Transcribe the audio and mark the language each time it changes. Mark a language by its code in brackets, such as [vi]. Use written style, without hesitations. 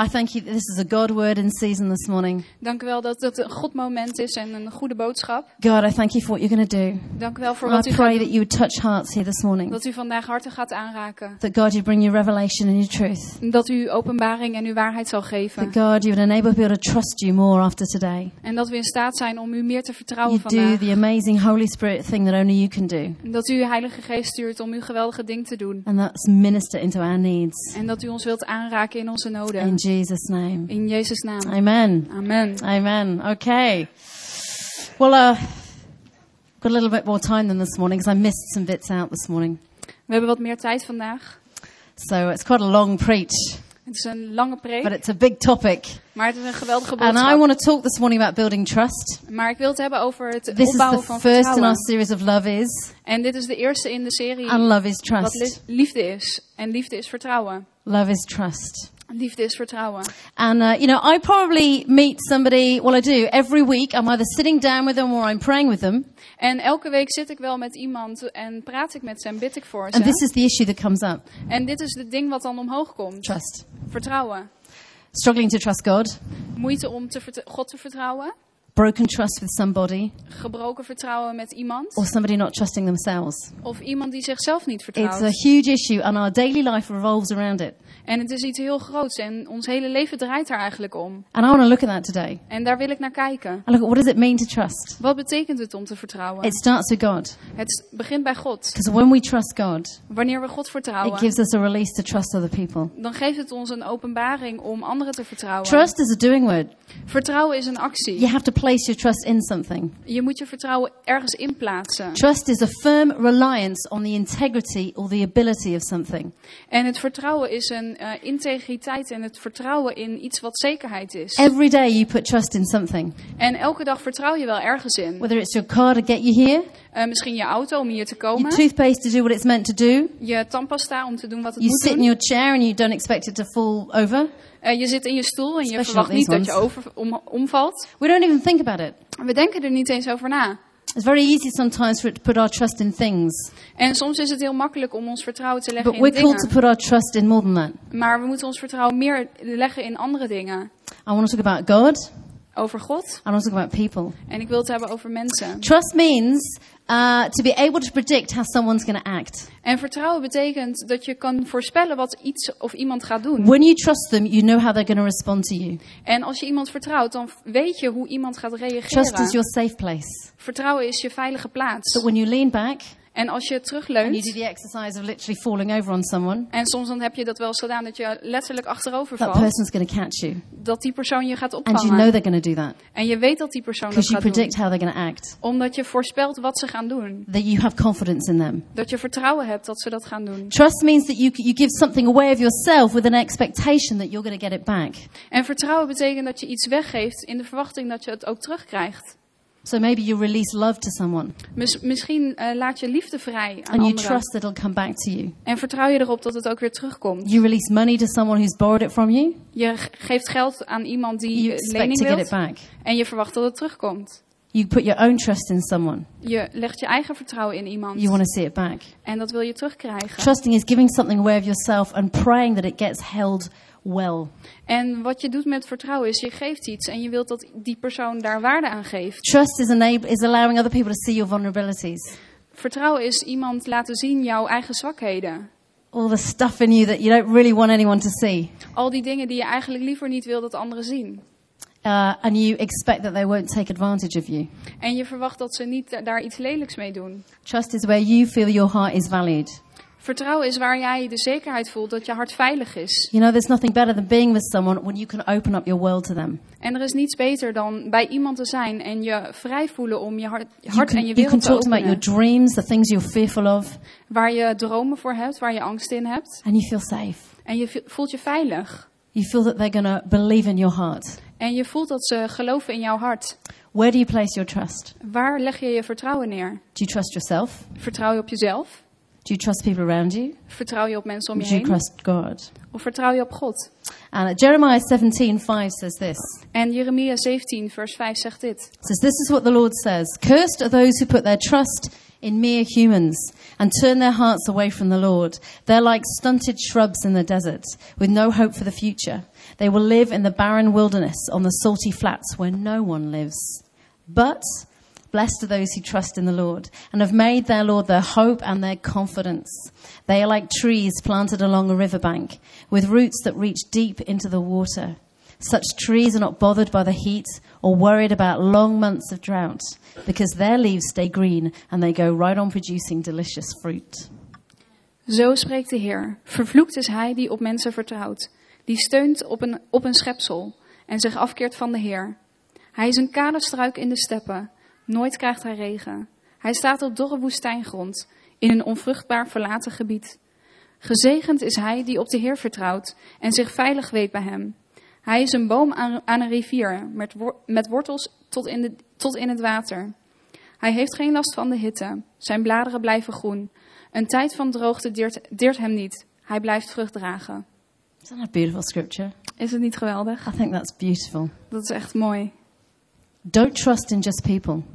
[en] I thank you that this is a God word in season this morning. [nl] Dank u wel dat het een God moment is en een goede boodschap. [en] God, I thank you for what you're going to do. [nl] Dank u wel voor wat u gaat doen. [en] I pray that you would touch hearts here this morning. [nl] Dat u vandaag harten gaat aanraken. [en] That God, you'd bring your revelation and your truth. [nl] Dat u openbaring en uw waarheid zal geven. [en] That God, you would enable people to trust you more after today. [nl] En dat we in staat zijn om u meer te vertrouwen [en] you [nl] vandaag. [en] You do the amazing Holy Spirit thing that only you can do. [nl] Dat u uw Heilige Geest stuurt om uw geweldige ding te doen. [en] And that's minister into our needs. [nl] En dat u ons wilt aanraken in onze noden. [en] In Jesus' name. [nl] In Jezus' naam. [en] Amen. [nl] Amen. [en] Amen. Okay. Well, got a little bit more time than this morning, because I missed some bits out this morning. [nl] We hebben wat meer tijd vandaag. [en] So it's quite a long preach. [nl] Het is een lange preek. [en] But it's a big topic. [nl] Maar het is een geweldige boodschap. [en] And I want to talk this morning about building trust. [nl] Maar ik wil het hebben over het [en] this [nl] opbouwen van vertrouwen. [en] This is the first in our series of love is. [nl] En dit is de eerste in de serie. [en] And love is trust. [nl] Wat liefde is. En liefde is vertrouwen. [en] Love is trust. [nl] Liefde is vertrouwen. [en] And you know, I probably meet somebody. Well, I do every week. I'm either sitting down with them or I'm praying with them. [nl] En elke week zit ik wel met iemand en praat ik met ze en bid ik voor ze. [en] And this is the issue that comes up. [nl] En dit is het ding wat dan omhoog komt. [en] Trust. [nl] Vertrouwen. [en] Struggling to trust God. [nl] Moeite om God te vertrouwen. [en] Broken trust with somebody. [nl] Gebroken vertrouwen met iemand. [en] Or somebody not trusting themselves. [nl] Of iemand die zichzelf niet vertrouwt. [en] It's a huge issue and our daily life revolves around it. [nl] En het is iets heel groots en ons hele leven draait daar eigenlijk om. [en] And I want to look at that today. [nl] En daar wil ik naar kijken. [en] And look, what does it mean to trust? [nl] Wat betekent het om te vertrouwen? [en] It starts with God. [nl] Het begint bij God. [en] Because when we trust God. [nl] Wanneer we God vertrouwen. [en] It gives us a release to trust other people. [nl] Dan geeft het ons een openbaring om anderen te vertrouwen. [en] Trust is a doing word. [nl] Vertrouwen is een actie. [en] You have to place your trust in something. [nl] Je moet je vertrouwen ergens in plaatsen. [en] Trust is a firm reliance on the integrity or the ability of something. [nl] En het vertrouwen is een integriteit en het vertrouwen in iets wat zekerheid is. [en] Every day you put trust in something. [nl] En elke dag vertrouw je wel ergens in. [en] Whether it's your car to get you here. [nl] Misschien je auto om hier te komen. [en] Your toothpaste to do what it's meant to do. [nl] Je tandpasta om te doen wat het [en] you [nl] moet [en] sit [nl] doen. [en] In your chair and you don't expect it to fall over. [nl] Je zit in je stoel en je [en] Especially [nl] verwacht niet [en] ones. [nl] Dat je omvalt. [en] We don't even think about it. [nl] We denken er niet eens over na. [en] It's very easy sometimes for it to put our trust in things. [nl] En soms is het heel makkelijk om ons vertrouwen te leggen [en] But [nl] in dingen. [en] But we're called to put our trust in more than that. [nl] Maar we moeten ons vertrouwen meer leggen in andere dingen. [en] I want to talk about God. [nl] Over God. [en] I want to talk about people. [nl] En ik wil het hebben over mensen. [en] Trust means to be able to predict how someone's going to act. [nl] En vertrouwen betekent dat je kan voorspellen wat iets of iemand gaat doen. [en] When you trust them, you know how they're going to respond to you. [nl] En als je iemand vertrouwt, dan weet je hoe iemand gaat reageren. [en] Trust is your safe place. [nl] Vertrouwen is je veilige plaats. [en] So when you lean back. [nl] En als je terugleunt. [en] And you do the exercise of literally falling over on someone. [nl] En soms dan heb je dat wel gedaan dat je letterlijk achterover valt. [en] That person's going to catch you. [nl] Dat die persoon je gaat opvangen. [en] And you know they're going to do that. [nl] En je weet dat die persoon dat gaat doen. [en] Because you predict how they're going to act. [nl] Omdat je voorspelt wat ze gaan doen. [en] That you have confidence in them. [nl] Dat je vertrouwen hebt dat ze dat gaan doen. [en] Trust means that you give something away of yourself with an expectation that you're going to get it back. [nl] En vertrouwen betekent dat je iets weggeeft in de verwachting dat je het ook terugkrijgt. [en] So maybe you release love to someone. [nl] Misschien laat je liefde vrij aan [en] And you [nl] anderen. [en] Trust that it'll come back to you. [nl] En vertrouw je erop dat het ook weer terugkomt. [en] You release money to someone who's borrowed it from you. [nl] Je geeft geld aan iemand die [en] you [nl] lening [en] expect to [nl] wilt. [en] Get it back. [nl] En je verwacht dat het terugkomt. [en] You put your own trust in someone. [nl] Je legt je eigen vertrouwen in iemand. [en] You want to see it back. [nl] En dat wil je terugkrijgen. [en] Trusting is giving something away of yourself and praying that it gets held well. [nl] En wat je doet met vertrouwen is je geeft iets en je wilt dat die persoon daar waarde aan geeft. [en] Trust is allowing other people to see your vulnerabilities. [nl] Vertrouwen is iemand laten zien jouw eigen zwakheden. [en] All the stuff in you that you don't really want anyone to see. [nl] Al die dingen die je eigenlijk liever niet wil dat anderen zien. [en] And you expect that they won't take advantage of you. [nl] En je verwacht dat ze niet daar iets lelijks mee doen. [en] Trust is where you feel your heart is valued. [nl] Vertrouwen is waar jij de zekerheid voelt dat je hart veilig is. [en] You know, there's nothing better than being with someone when you can open up your world to them. [nl] En er is niets beter dan bij iemand te zijn en je vrij voelen om je hart [en] can, [nl] en je wereld te openen. [en] You can talk about your dreams, the things you're fearful of. [nl] Waar je dromen voor hebt, waar je angst in hebt. [en] And you feel safe. [nl] En je voelt je veilig. [en] You feel that they're gonna believe in your heart. [nl] En je voelt dat ze geloven in jouw hart. [en] Where do you place your trust? [nl] Waar leg je je vertrouwen neer? [en] Do you trust yourself? [nl] Vertrouw je op jezelf? [en] Do you trust people around you? [nl] Vertrouw je op mensen om je [en] Do [nl] heen? [en] You trust God? [nl] Of vertrouw je op God? [en] And Jeremiah 17:5 says this. [nl] En Jeremia 17 vers 5 zegt dit. [en] It says this is what the Lord says. Cursed are those who put their trust in mere humans and turn their hearts away from the Lord. They're like stunted shrubs in the desert with no hope for the future. They will live in the barren wilderness on the salty flats where no one lives. But blessed are those who trust in the Lord and have made their Lord their hope and their confidence. They are like trees planted along a riverbank with roots that reach deep into the water. Such trees are not bothered by the heat or worried about long months of drought because their leaves stay green and they go right on producing delicious fruit. [nl] Zo spreekt de Heer. Vervloekt is hij die op mensen vertrouwt, die steunt op een schepsel en zich afkeert van de Heer. Hij is een kale struik in de steppen. Nooit krijgt hij regen. Hij staat op dorre woestijngrond in een onvruchtbaar verlaten gebied. Gezegend is hij die op de Heer vertrouwt en zich veilig weet bij hem. Hij is een boom aan een rivier met wortels tot in het water. Hij heeft geen last van de hitte. Zijn bladeren blijven groen. Een tijd van droogte deert hem niet. Hij blijft vrucht dragen. Is dat een [en] beautiful scripture? [nl] Is het niet geweldig? [en] I think that's beautiful. [nl] Dat is echt mooi. [en] Don't trust in just people.